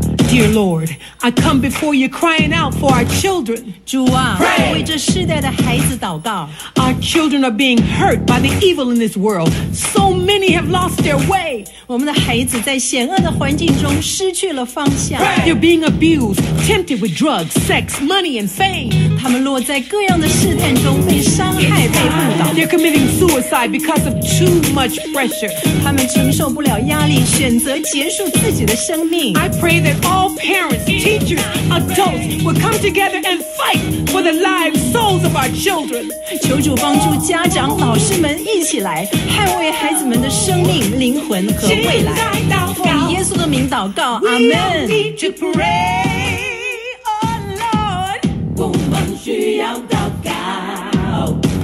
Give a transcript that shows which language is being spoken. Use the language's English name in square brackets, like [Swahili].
[English] Dear Lord, I come before you crying out for our children. [Chinese] 主啊，为这世代的孩子祷告。 [English] Our children are being hurt by the evil in this world. So many have lost their way. [Chinese] 我们的孩子在险恶的环境中失去了方向。 [English] They're being abused, tempted with drugs, sex, money, and fame. [Chinese] 他们落在各样的试探中被伤害、被误导。 [English] They're committing suicide because of too much pressure. [Chinese] 他们承受不了压力，选择结束自己的生命。 [English] I pray that all parents, teachers, adults will come together and fight for the lives, souls of our children. [Chinese] 求主帮助家长、老师们一起来捍卫孩子们的生命、灵魂和未来。奉耶稣的名祷告，阿门。 [English] We need to pray, oh Lord. [Chinese] 我们需要祷告，